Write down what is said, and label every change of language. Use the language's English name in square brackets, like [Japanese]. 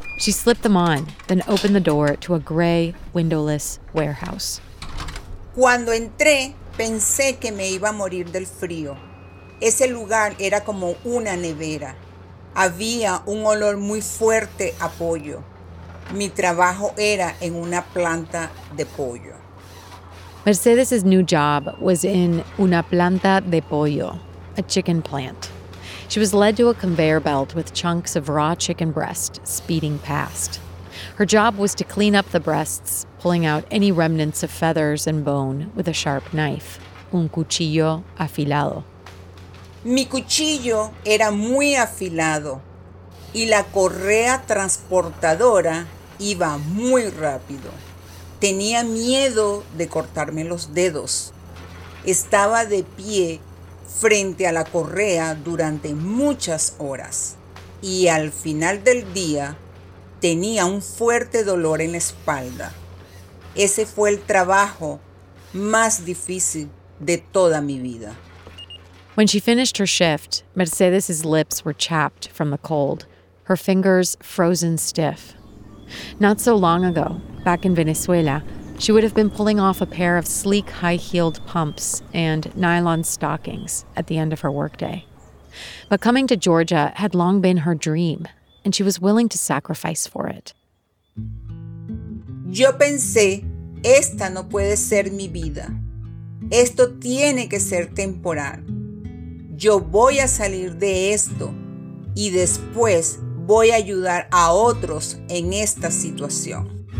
[English] She slipped them on, then opened the door to a gray, windowless warehouse. [Spanish] Cuando entré, pensé que me iba a morir del frío. Ese lugar era como una nevera. Había un olor muy fuerte a pollo. Mi trabajo era en una planta de pollo. [English] Mercedes' new job was in [Spanish] una planta de pollo, [English] a chicken plant. She was led to a conveyor belt with chunks of raw chicken breast speeding past. Her job was to clean up the breasts, pulling out any remnants of feathers and bone with a sharp knife, [Spanish] un cuchillo afilado. Mi cuchillo era muy afilado y la correa transportadora iba muy rápido. Tenía miedo de cortarme los dedos. Estaba de pie frente a la correa durante muchas horas y al final del día tenía un fuerte dolor en la espalda. Ese fue el trabajo más difícil de toda mi vida. [English] When she finished her shift, Mercedes's lips were chapped from the cold, her fingers frozen stiff. Not so long ago, back in Venezuela, she would have been pulling off a pair of sleek high-heeled pumps and nylon stockings at the end of her workday. But coming to Georgia had long been her dream, and she was willing to sacrifice for it. [Spanish] Yo pensé, esta no puede ser mi vida. Esto tiene que ser temporal. Yo voy a salir de esto y después voy a ayudar a otros en esta situación.